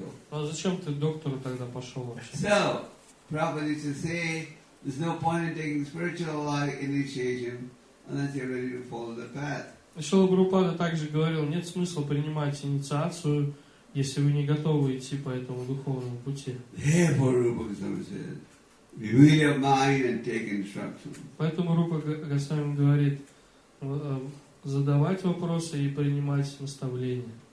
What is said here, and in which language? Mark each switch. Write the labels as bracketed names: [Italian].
[Russian] А зачем ты к доктору тогда пошел вообще? [English] So, Prabhupada used to say, there's no point in taking spiritual initiation unless you're ready to follow the path. [Russian] Шрила Прабхупада также говорил, нет смысла принимать инициацию, если вы не готовы идти по этому духовному пути. [English] Therefore, Rupa Goswami said, renew your mind and take instruction. [Russian] Поэтому Рупа Госвами говорит, задавать вопросы и принимать наставления.